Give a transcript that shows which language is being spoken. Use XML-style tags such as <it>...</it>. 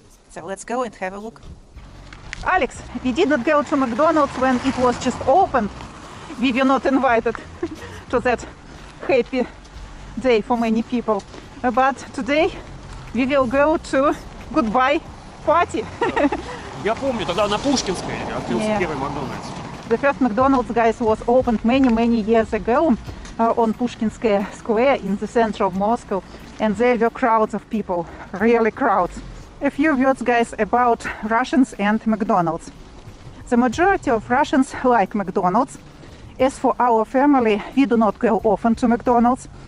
<en>So let's go and have a look. Alex, we did not go to McDonald's when it was just opened. We were not invited to that happy day for many people. But today we will go to goodbye party.</en> <ru>Я помню, тогда на Пушкинской открылся первый McDonald's.</ru> <en>The first McDonald's, guys, was opened many, many years ago on Pushkinskaya Square in the center of Moscow. And there were crowds of people, really crowds. A few words, guys, about Russians and McDonald's. The majority of Russians like McDonald's. As for our family, we do not go often to McDonald's.</en>